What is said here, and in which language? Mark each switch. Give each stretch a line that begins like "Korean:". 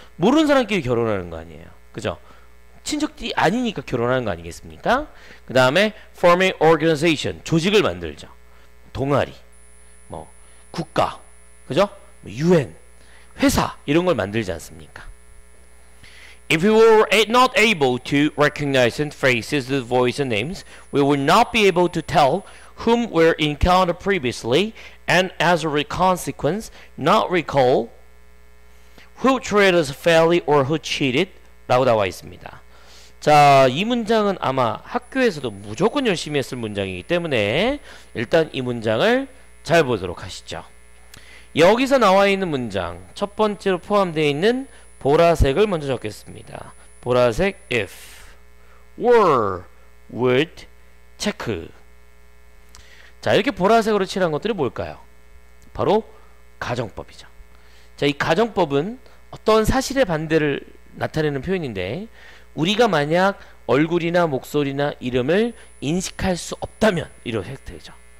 Korean: 모르는 사람끼리 결혼하는 거 아니에요. 그죠? 친척이 아니니까 결혼하는 거 아니겠습니까? 그 다음에
English: forming organization,
Korean: 조직을 만들죠. 동아리, 뭐 국가, 그죠? UN, 회사 이런 걸 만들지 않습니까?
English: If we were not able to recognize and faces the voice and names, we would not be able to tell whom we encountered previously, and as a consequence, not recall who treated us fairly or who cheated.
Korean: 라고 나와 있습니다. 자, 이 문장은 아마 학교에서도 무조건 열심히 했을 문장이기 때문에 일단 이 문장을 잘 보도록 하시죠. 여기서 나와 있는 문장, 첫 번째로 포함되어 있는 보라색을 먼저 적겠습니다. 보라색 if, were, would, check. 자, 이렇게 보라색으로 칠한 것들이 뭘까요? 바로 가정법이죠. 자, 이 가정법은 어떤 사실의 반대를 나타내는 표현인데, 우리가 만약 얼굴이나 목소리나 이름을 인식할 수 없다면, 이렇게 되죠.